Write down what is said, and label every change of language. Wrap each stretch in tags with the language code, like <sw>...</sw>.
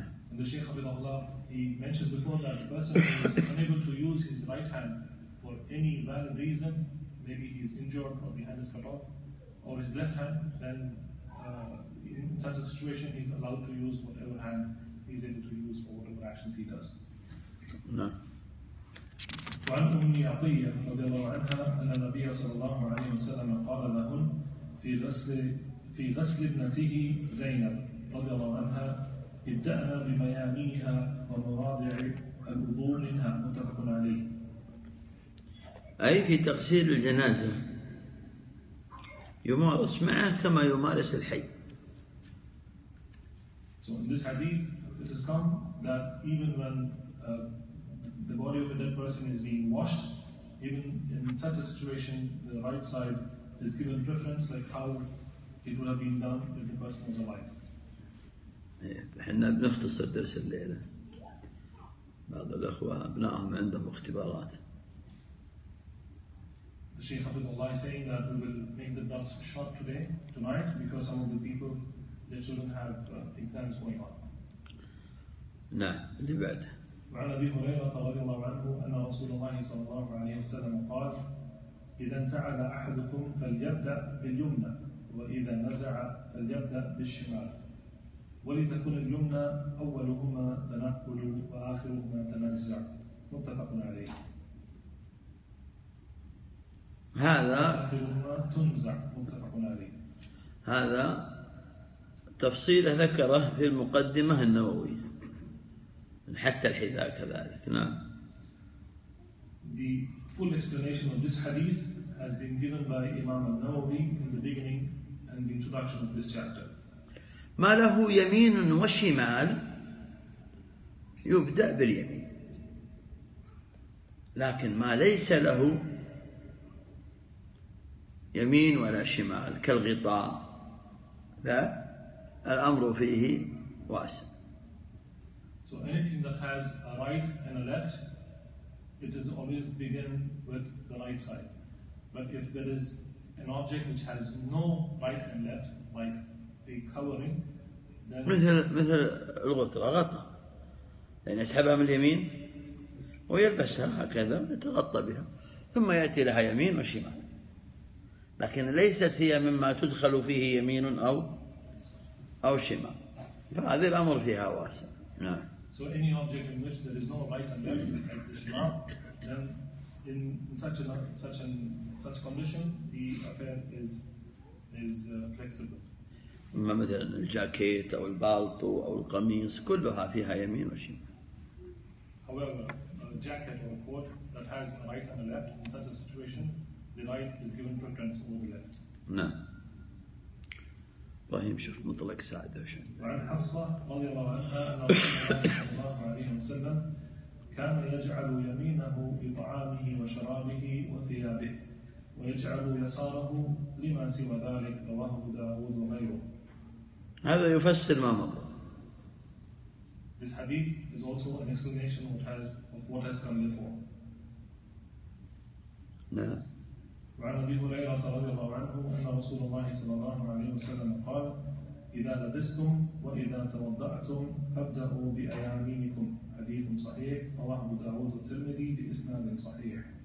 <en>And the Sheikh Abdul Allah he mentioned before that the person who is unable to use his right hand for any valid reason, maybe he is injured or the hand is cut off, or his left hand, then in such a situation he is allowed to use whatever hand he is able to use for whatever action he does. No.</en> <ar>وعن أم عطية رضي الله عنها أن النبي صلى الله عليه وسلم قال لهن في غسل ابنته زينب رضي الله عنها ابدأنا بميامينها ومراضع الوضوء منها متفق عليه. أي في تغسيل الجنازة يمارس معها كما يمارس الحي.</ar> <en>So in this hadith it has come that even when the body of a dead person is being washed, even in such a situation, the right side is given preference, like how it would have been done if the person was alive.</en> <ar>إحنا بنختصر درس الليلة. بعض الأخوة أبنائهم عندهم اختبارات.</ar> <en>The Sheikh Abdullah is saying that we will make the bus short today, tonight, because some of the people, their children have exams going on.</en> <ar>نعم اللي بعد. وعن أبي هريرة رضي الله عنه أن رسول الله صلى الله عليه وسلم قال إذا انتعل أحدكم فليبدأ باليمنى وإذا نزع فليبدأ بالشمال ولتكن اليمنى أولهما تنقل وآخرهما تنزع متفق عليه. هذا آخرهما تنزع متفق عليه. هذا تفصيل ذكره في المقدمة النووية حتى الحذاء كذلك. نعم.</ar> <en>The full explanation of this hadith has been given by Imam al-Nawawi in the beginning and the introduction of this chapter.</en> <ar>ما له يمين وشمال يبدأ باليمين. لكن ما ليس له يمين ولا شمال كالغطاء فالأمر فيه واسع.</ar> <en>So anything that has a right and a left, it is always begin with the right side. But if there is an object which has no right and left, like a covering, then</en> <ar>مثل الغطرة غطا يعني يسحبها من اليمين ويلبسها هكذا يتغطى بها ثم يأتي لها يمين وشمال لكن ليست هي مما تدخل فيه يمين أو شمال فهذا الأمر فيها واسع. نعم.</ar> <en>So any object in which there is no right and left, like the shema, then in such condition, the affair is flexible.</en> <ar>ما مثلاً الجاكيت أو البالطو أو القميص كلها فيها يمين وشمال.</ar> <en>However, a jacket or a coat that has a right and a left, in such a situation, the right is given preference over the left.</en> <ar>نعم. إبراهيم شوف مطلق سعد وش عنده. وعن حفصة رضي الله عنها أن رسول الله صلى الله عليه وسلم كان يجعل يمينه لطعامه وشرابه وثيابه ويجعل يساره لما سوى ذلك، رواه أبو داود وغيره. هذا يفسر ما مضى.</ar> <en>This hadith is also an explanation of what has come before.</en> <ar>نعم. وعن أبي هريرة رضي الله عنه أن رسول الله صلى الله عليه وسلم قال: إذا لبستم وإذا توضعتم فابدأوا بأيمانكم. حديث صحيح، رواه أبو داود والترمذي بإسناد صحيح.</ar>